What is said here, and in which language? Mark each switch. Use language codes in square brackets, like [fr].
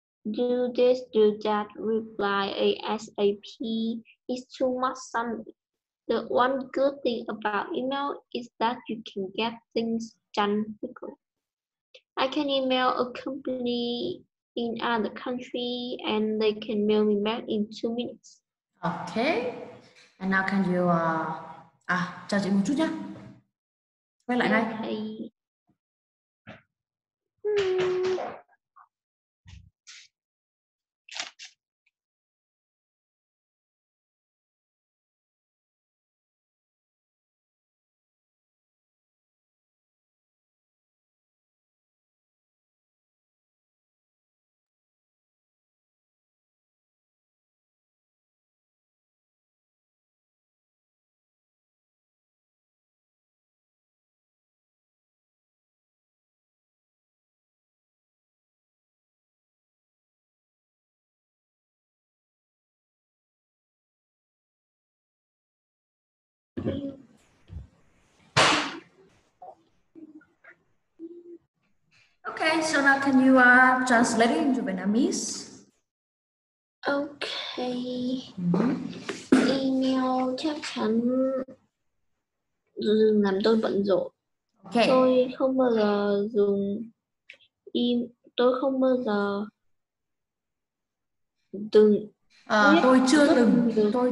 [en] Do this, do that, reply ASAP is too much something. The one good thing about email is that you can get things done quickly. I can email a company in another country and they can mail me back in 2 minutes. Okay. And now can you [vi] chờ chị một chút nhé. Quay lại đây. [en] Okay. Okay, so now can you translate it into Vietnamese? Okay. Mm-hmm. [vi] Email chắc chắn làm tôi bận rộn. [en] Okay. [vi] Tôi không bao giờ dùng im, tôi không bao giờ từng tôi chưa từng được.